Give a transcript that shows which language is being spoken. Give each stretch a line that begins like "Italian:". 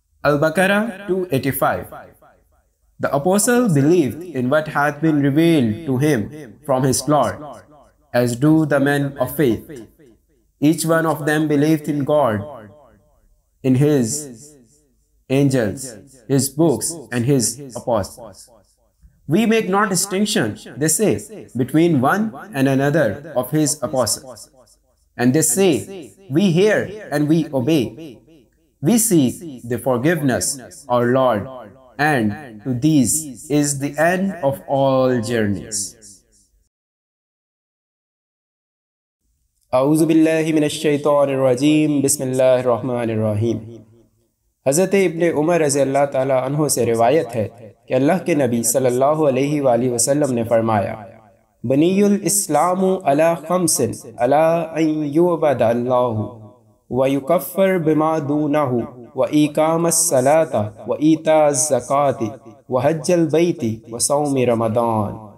Arabic: البقرہ 285
English: The apostle believed in what hath been revealed to him from his Lord as do the men of faith each one of them believed in God in his angels his books and his apostles We make not distinction, they say, between one and another of his apostles. And they say, we hear and we obey. We seek the forgiveness, our Lord. And to these is the end of all journeys.
Arabic: أعوذ بالله من الشيطان الرجيم بسم الله الرحمن الرحيم حضرت ابن عمر رضی اللہ تعالیٰ عنہ سے روایت ہے کہ اللہ کے نبی صلی اللہ علیہ وآلہ وسلم نے فرمایا بنی الاسلام على خمس على ان یعبد اللہ ویکفر بما دونہ وإقام الصلاة وإیتاء الزکاة وحج البیت وصوم رمضان